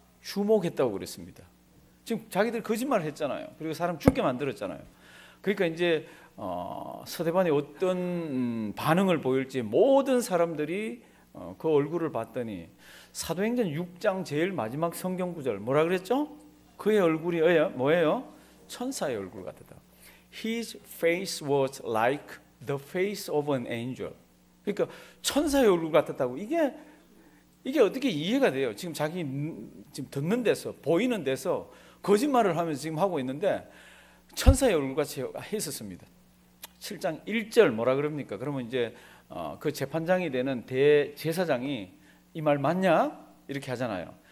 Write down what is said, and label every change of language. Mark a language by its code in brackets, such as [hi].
[ko] 주목했다고 그랬습니다. 지금 자기들 거짓말을 했잖아요. 그리고 사람 죽게 만들었잖아요. 그러니까 이제 스데반이 어떤 반응을 보일지 모든 사람들이 그 얼굴을 봤더니 사도행전 6장 제일 마지막 성경 구절 뭐라 그랬죠? 그의 얼굴이 뭐예요? 천사의 얼굴 같았다. [en] His face was like the face of an angel. [ko] 그러니까 천사의 얼굴 같았다고 이게 어떻게 이해가 돼요? 지금 자기 지금 듣는 데서 보이는 데서 거짓말을 하면서 지금 하고 있는데 천사의 얼굴같이 했었습니다. 7장 1절 뭐라 그럽니까? 그러면 이제 그 재판장이 되는 대제사장이 이 말 맞냐? 이렇게 하잖아요.